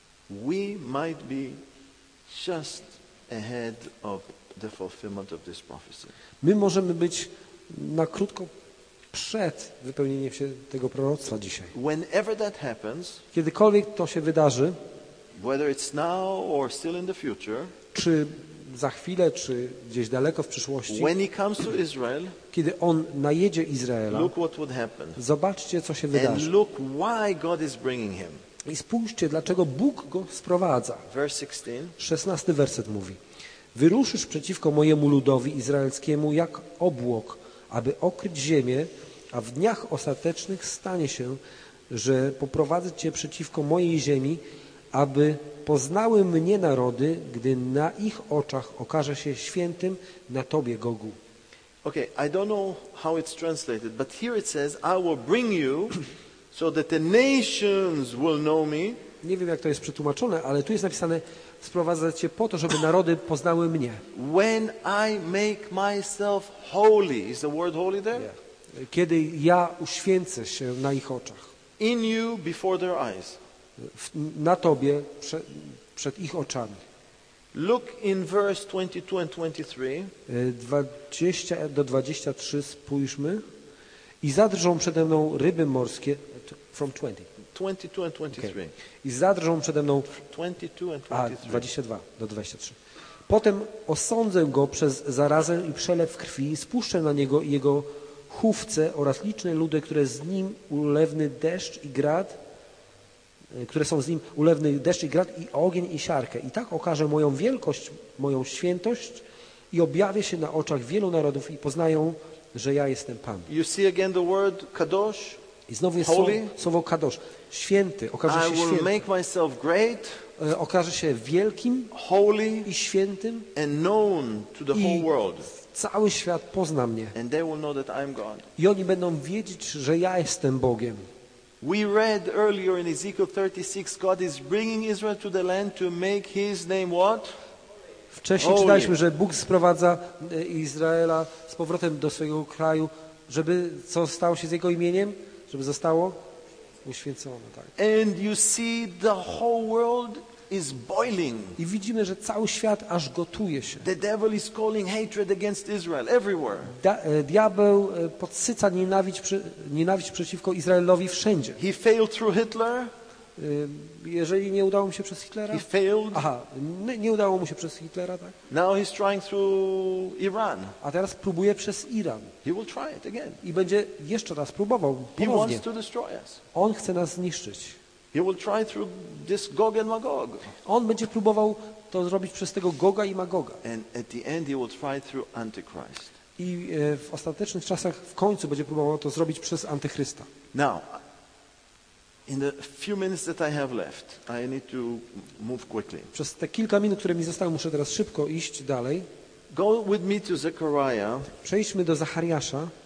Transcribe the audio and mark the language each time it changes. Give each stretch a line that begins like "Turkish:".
English: We might be just ahead of the fulfillment of this prophecy.
Polish: My możemy być na krótko przed wypełnieniem się tego proroctwa dzisiaj.
English: Whenever that happens,
Polish: kiedykolwiek to się wydarzy,
English: whether it's now or still in the future,
Polish: czy za chwilę, czy gdzieś daleko w przyszłości,
English: when he comes to Israel,
Polish: kiedy on najedzie Izraela,
English: look what would happen.
Polish: Zobaczcie, co się wydarzy.
English: And look why God is bringing him.
Polish: I spójrzcie, dlaczego Bóg go sprowadza. 16 werset mówi: wyruszysz przeciwko mojemu ludowi izraelskiemu jak obłok, aby okryć ziemię, a w dniach ostatecznych stanie się, że poprowadzę cię przeciwko mojej ziemi, aby poznały mnie narody, gdy na ich oczach okaże się świętym na tobie, Gogu.
English: Okay, I don't know how it's translated, but here it says, I will bring you so that the nations will know me.
Polish: Nie wiem, jak to jest przetłumaczone, ale tu jest napisane, sprowadzę cię po to, żeby narody poznały mnie.
English: When I make myself holy, is the word holy there? Yeah.
Polish: Kiedy ja uświęcę się na ich oczach.
English: In you before their eyes.
Polish: Na tobie przed ich oczami.
English: Look in verse 22 and 23.
Polish: 20 do 23 spójrzmy. I zadrżą przede mną ryby morskie.
English: From 20. 22 and 23. Okay.
Polish: I zadrżą przede mną
English: 22 and 23.
Polish: A, 22 do 23. Potem osądzę go przez zarazę i przelew krwi, spuszczę na niego i jego chówce oraz liczne ludy, które z nim ulewny deszcz i grad, które są z nim ulewny deszcz i grad i ogień i siarkę. I tak okaże moją wielkość, moją świętość i objawię się na oczach wielu narodów i poznają, że ja jestem Pan.
English: You see again the word kadosz?
Polish: I znowu jest słowo kadosz. Święty, okaże się święty.
English: I will make myself great.
Polish: Okaże się wielkim,
English: holy
Polish: i świętym.
English: And known to the whole world.
Polish: Cały świat pozna mnie.
English: And they will know that I'm God.
Polish: I oni będą wiedzieć, że ja jestem Bogiem.
English: We read earlier in Ezekiel 36, God is bringing Israel to the land to make his name what?
Polish: Wcześniej czytaliśmy, że Bóg sprowadza Izraela z powrotem do swojego kraju, żeby co stało się z jego imieniem? Żeby zostało uświęcone, tak.
English: And you see the whole world is boiling.
Polish: I widzimy, że cały świat aż gotuje się.
English: The devil is calling hatred against Israel everywhere.
Polish: Diabeł podsyca nienawiść przeciwko Izraelowi wszędzie.
English: He failed through Hitler.
Polish: Jeżeli nie udało mu się przez Hitlera.
English: He failed.
Polish: Aha, nie udało mu się przez Hitlera, tak?
English: Now he's trying through Iran.
Polish: A teraz próbuje przez Iran.
English: He will try it again.
Polish: I będzie jeszcze raz próbował.
English: He wants to destroy us.
Polish: On chce nas zniszczyć.
English: He will try through this Gog and Magog.
Polish: On będzie próbował to zrobić przez tego Goga i Magoga.
English: And at the end he will try through Antichrist.
Polish: I w ostatecznych czasach w końcu będzie próbował to zrobić przez Antychrysta.
English: Now, in the few minutes that I have left, I need to move quickly.
Polish: Przez te kilka minut, które mi zostały, muszę teraz szybko iść dalej.
English: Go with me to Zechariah.
Polish: Przejdźmy do Zachariasza.